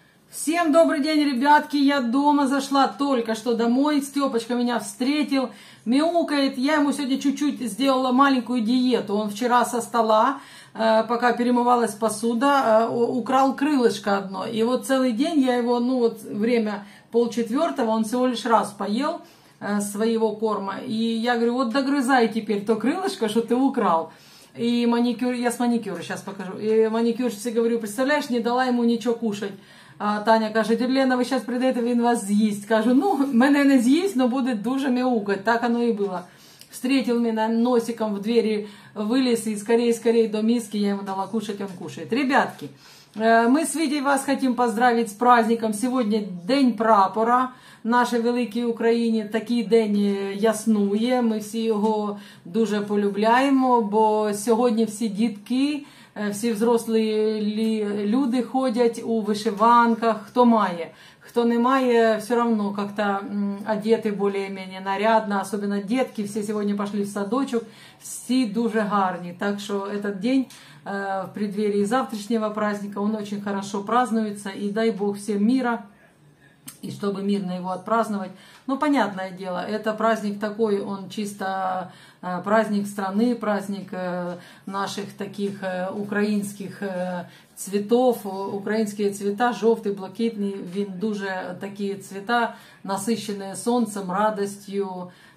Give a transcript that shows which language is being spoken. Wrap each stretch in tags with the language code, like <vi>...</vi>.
<ru>Всем добрый день, ребятки, я дома зашла только что домой, Степочка меня встретил, мяукает, я ему сегодня чуть-чуть сделала маленькую диету, он вчера со стола, пока перемывалась посуда, украл крылышко одно, и вот целый день я его, ну вот время 3:30, он всего лишь раз поел своего корма, и я говорю, вот догрызай теперь то крылышко, что ты украл. И маникюр, я с маникюра сейчас покажу, и маникюрщице говорю, представляешь, не дала ему ничего кушать.</ru> <uk>А Таня каже, Лена, ви зараз прийдете, він вас з'їсть. Кажу, ну, мене не з'їсть, але буде дуже мяукать. Так воно і було. Встретив мене носиком в двері, виліз і скорей-скорей до миски, я йому дала кушати, він кушає. Ребятки, ми з Вітей вас хочемо поздравити з праздником. Сьогодні День прапора в нашій великій Україні. Такий день яснує, ми всі його дуже полюбляємо, бо сьогодні всі дітки... Всі взрослі люди ходять у вишиванках, хто має, хто не має, все одно як-то одіти більш-менш нарядно, особливо дітки, всі сьогодні пішли в садочок, всі дуже гарні. Так що цей день</uk> <ru>в преддверии</ru> <uk>завтрашнього праздника, він дуже хорошо празднується, і дай Бог всім міра, і щоб мирно його відпраздновати.</uk> <ru>Ну, понятное дело, это праздник такой, он чисто праздник страны, праздник наших таких украинских цветов. Украинские цвета, жовтый, блакитный,</ru> <uk>він дуже</uk> <ru>такие цвета, насыщенные солнцем, радостью.</ru>